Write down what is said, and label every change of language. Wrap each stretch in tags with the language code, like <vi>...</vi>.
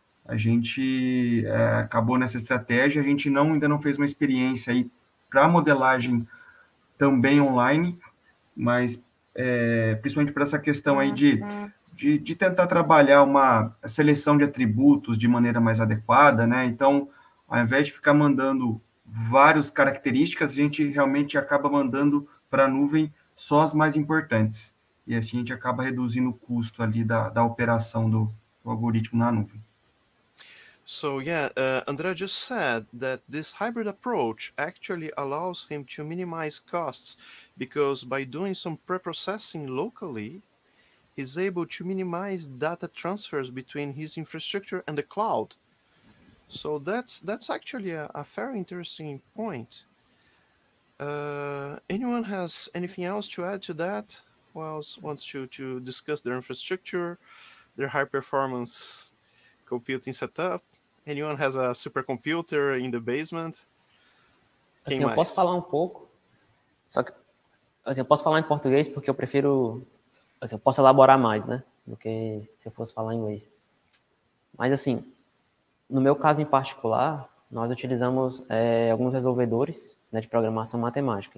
<pt>A gente acabou nessa estratégia, a gente ainda não fez uma experiência aí para modelagem também online, mas principalmente para essa questão aí de tentar trabalhar uma seleção de atributos de maneira mais adequada, né? Então, ao invés de ficar mandando várias características, a gente realmente acaba mandando para a nuvem só as mais importantes. E assim a gente acaba reduzindo o custo ali da operação do algoritmo na nuvem.</pt> <en>So yeah, Andrea just said that this hybrid approach actually allows him to minimize costs, because by doing some pre-processing locally, he's able to minimize data transfers between his infrastructure and the cloud. So that's actually a very interesting point. Anyone has anything else to add to that? Who else wants to discuss their infrastructure, their high performance computing setup? Anyone has a supercomputer in the basement?</en> <pt>Assim, eu posso falar um pouco, só que assim, eu posso falar em português porque eu prefiro, assim, eu posso elaborar mais, né, do que se eu fosse falar em inglês. Mas assim, no meu caso em particular, nós utilizamos alguns resolvedores, né, de programação matemática.</pt>